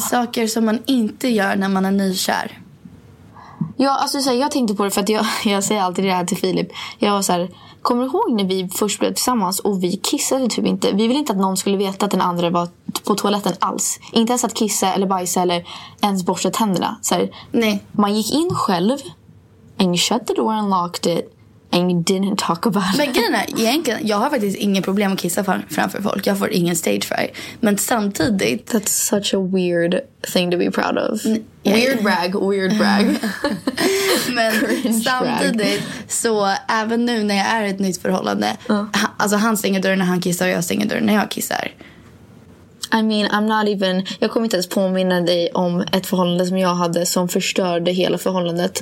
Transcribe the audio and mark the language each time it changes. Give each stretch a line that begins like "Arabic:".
Swedish: Saker som man inte gör när man är nykär. Ja, alltså så här, jag tänkte på det för att jag säger alltid det här till Filip. Jag var så här, kommer du ihåg när vi först blev tillsammans och vi kissade typ inte? Vi ville inte att någon skulle veta att den andra var på toaletten alls. Inte ens att kissa eller bajsa eller ens borsta tänderna. Så här, nej. Man gick in själv,
English: and you shut the door and locked it, and you didn't talk about it.
Swedish: Men grejen är, egentligen, jag har faktiskt ingen problem att kissa framför folk. Jag får ingen stage fright. Men samtidigt...
English: That's such a weird thing to be proud of. Weird brag.
Swedish: Men samtidigt så även nu när jag är i ett nytt förhållande, alltså han stänger dörren när han kissar och jag stänger dörren när jag kissar.
English: I mean, I'm not even...
Swedish: Jag kommer inte ens påminna dig om ett förhållande som jag hade som förstörde hela förhållandet.